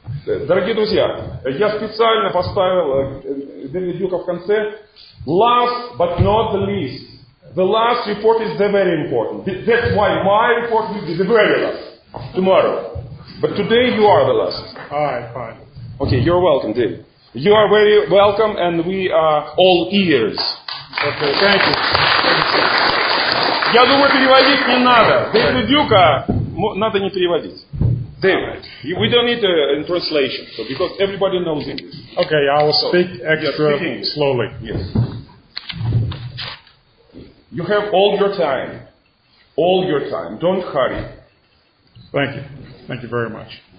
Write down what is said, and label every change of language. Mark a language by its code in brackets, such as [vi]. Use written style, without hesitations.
[ru] Дорогие друзья, я специально поставил Венедюка в конце. [en] Last but not least. The last report is very important. That's why my report will be very last. Tomorrow. But today you are the last. Alright, fine. Okay, you're welcome, Dave. You are very welcome, and we are all ears. Okay, thank you. [ru] Я думаю, переводить не надо. Дэвидюка надо не переводить. [en] Дэвид, we don't need a translation, so because everybody knows English. Okay, I will speak extra slowly. Yes. You have all your time. All your time. Don't hurry. Thank you. Thank you very much.